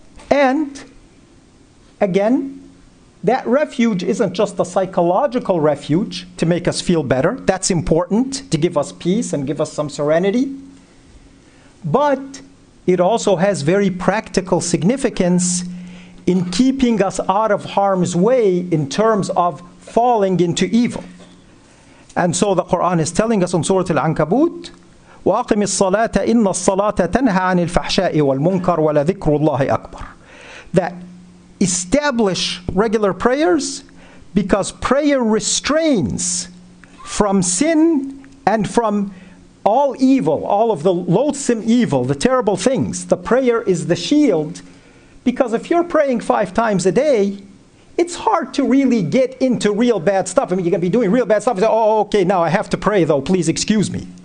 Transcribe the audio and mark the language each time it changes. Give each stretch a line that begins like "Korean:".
English: And again, that refuge isn't just a psychological refuge to make us feel better. That's important to give us peace and give us some serenity. But it also has very practical significance in keeping us out of harm's way in terms of falling into evil. And so the Quran is telling us in Surah Al-Ankabut,
Arabic: وَأَقِمِ الصَّلَاةَ إِنَّ الصَّلَاةَ تَنْهَى عَنِ الْفَحْشَاءِ وَالْمُنْكَرِ وَلَذِكْرُ اللَّهِ أَكْبَرِ.
English: That establish regular prayers, because prayer restrains from sin and from all evil, all of the loathsome evil, the terrible things. The prayer is the shield, because if you're praying five times a day, it's hard to really get into real bad stuff. I mean, you're going to be doing real bad stuff and say, oh, okay, now I have to pray though, please excuse me.